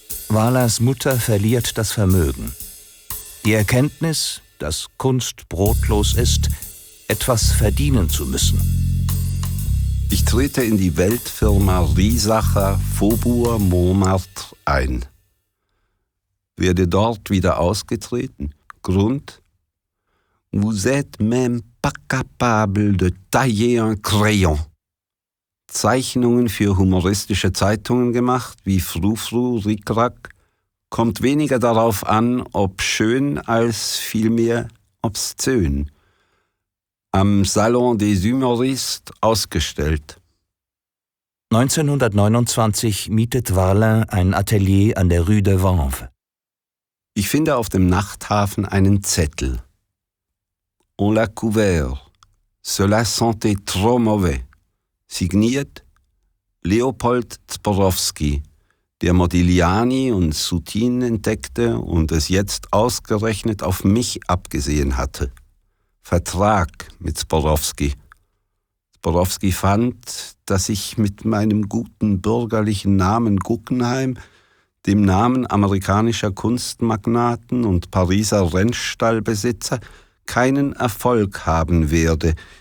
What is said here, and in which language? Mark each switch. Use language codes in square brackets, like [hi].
[de] Walas Mutter verliert das Vermögen. Die Erkenntnis, dass Kunst brotlos ist, etwas verdienen zu müssen. Ich trete in die Weltfirma Riesacher Faubourg Montmartre ein. Werde dort wieder ausgetreten. Grund? [fr] Vous êtes même pas capable de tailler un crayon. [de] Zeichnungen für humoristische Zeitungen gemacht, wie Froufrou, Rickrack. Kommt weniger darauf an, ob schön, als vielmehr obszön. Am Salon des Humoristes ausgestellt. 1929 mietet Varlin ein Atelier an der Rue de Vanves. Ich finde auf dem Nachthafen einen Zettel. [fr] On l'a couvert. Cela sentait trop mauvais. [de] Signiert Leopold Zborowski, der Modigliani und Soutine entdeckte und es jetzt ausgerechnet auf mich abgesehen hatte. Vertrag mit Zborowski. Zborowski fand, dass ich mit meinem guten bürgerlichen Namen Guggenheim, dem Namen amerikanischer Kunstmagnaten und Pariser Rennstallbesitzer, keinen Erfolg haben werde.